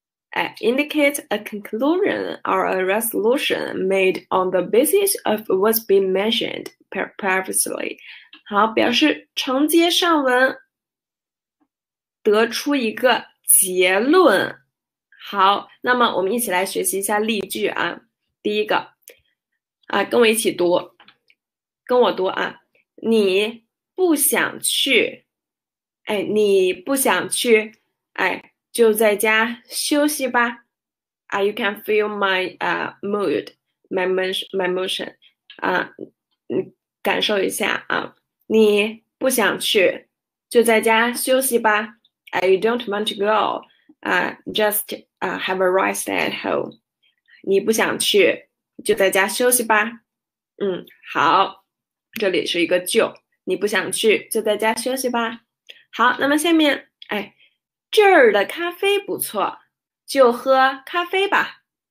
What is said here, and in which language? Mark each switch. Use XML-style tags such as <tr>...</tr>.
<en>哎，indicate a conclusion or a resolution made on the basis of what's been mentioned previously。</en> <zh>好，表示承接上文，得出一个结论。好，那么我们一起来学习一下例句啊。第一个，啊，跟我一起读，跟我读啊。你不想去，哎，你不想去，哎。就在家休息吧。</zh> <en>You can feel my mood, my motion</en> <zh>你感受一下啊。你不想去，就在家休息吧。</zh> <en>You don't want to go, just have a rest at home。</en> <zh>你不想去，就在家休息吧。嗯，好，这里是一个就，你不想去，就在家休息吧。好，那么下面，哎。这儿的咖啡不错，就喝咖啡吧。</zh>